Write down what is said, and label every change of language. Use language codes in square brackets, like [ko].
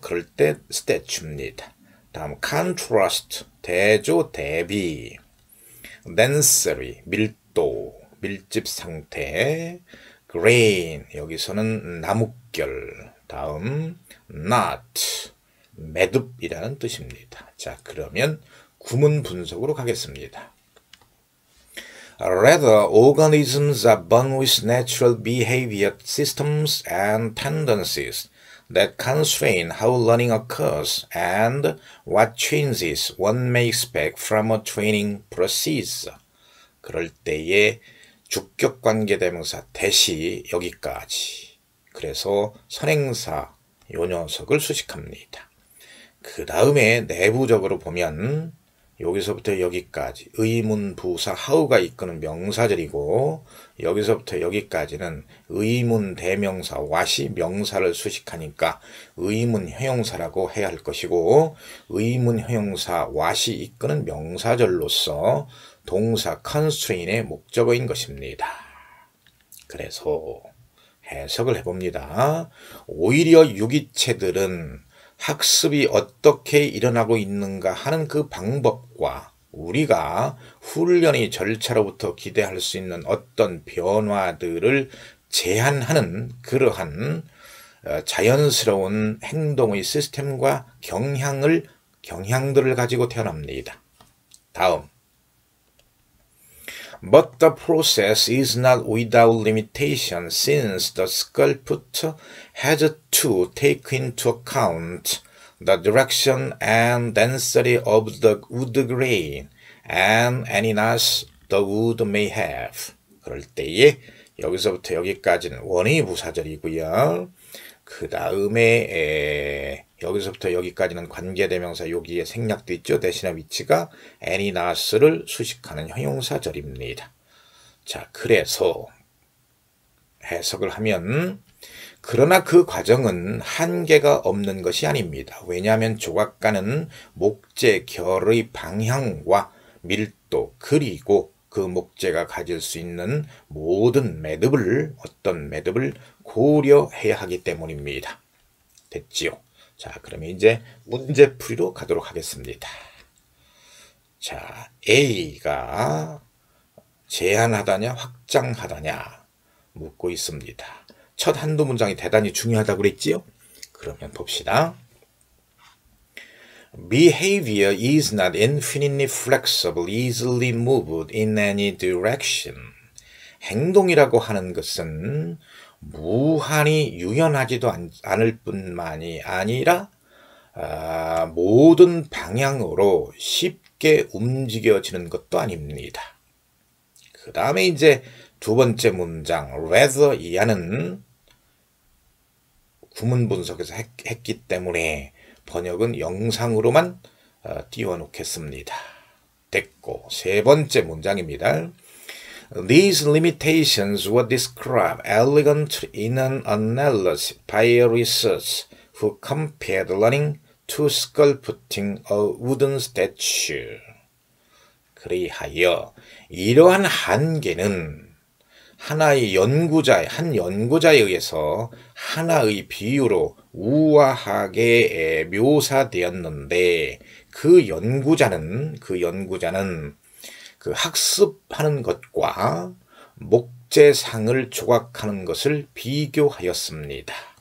[ko] 그럴 때 statue입니다. 다음, contrast, 대조, 대비 density, 밀도, 밀집 상태 grain, 여기서는 나뭇결 다음, not, 매듭이라는 뜻입니다. 자, 그러면 구문 분석으로 가겠습니다. [en] Rather, organisms are born with natural behavior systems and tendencies that constrain how learning occurs and what changes one may expect from a training process. [ko] 그럴 때에 주격관계대명사 대시 여기까지. 그래서 선행사 요 녀석을 수식합니다. 그 다음에 내부적으로 보면 여기서부터 여기까지 의문 부사 how가 이끄는 명사절이고 여기서부터 여기까지는 의문 대명사 what이 명사를 수식하니까 의문 형용사라고 해야 할 것이고 의문 형용사 what이 이끄는 명사절로서 동사 constrain의 목적어인 것입니다. 그래서 해석을 해봅니다. 오히려 유기체들은 학습이 어떻게 일어나고 있는가 하는 그 방법과 우리가 훈련의 절차로부터 기대할 수 있는 어떤 변화들을 제한하는 그러한 자연스러운 행동의 시스템과 경향들을 가지고 태어납니다. 다음 [en] But the process is not without limitation since the sculptor has to take into account the direction and density of the wood grain and any knots the wood may have. [ko] 그럴 때에 여기서부터 여기까지는 원의 부사절이고요. 그 다음에 여기서부터 여기까지는 관계대명사 여기에 생략되어 있죠. 대신의 위치가 any knots를 수식하는 형용사절입니다. 자, 그래서 해석을 하면 그러나 그 과정은 한계가 없는 것이 아닙니다. 왜냐하면 조각가는 목재 결의 방향과 밀도 그리고 그 목재가 가질 수 있는 모든 매듭을 어떤 매듭을 고려해야 하기 때문입니다. 됐지요? 자, 그러면 이제 문제풀이로 가도록 하겠습니다. 자, A가 제한하다냐 확장하다냐 묻고 있습니다. 첫 한두 문장이 대단히 중요하다고 그랬지요? 그러면 봅시다. [en] Behavior is not infinitely flexible, easily moved in any direction. [ko] 행동이라고 하는 것은 무한히 유연하지도 않을 뿐만이 아니라 모든 방향으로 쉽게 움직여지는 것도 아닙니다. 그 다음에 이제 두 번째 문장, rather 이하는 구문 분석에서 했기 때문에 번역은 영상으로만 띄워놓겠습니다. 됐고, 세 번째 문장입니다. [en] These limitations were described elegantly in an analysis by a researcher who compared learning to sculpting a wooden statue. [ko] 그리하여 이러한 한계는 하나의 연구자의 한 연구자에 의해서 하나의 비유로 우아하게 묘사되었는데 그 연구자는 그 학습하는 것과 목재상을 조각하는 것을 비교하였습니다.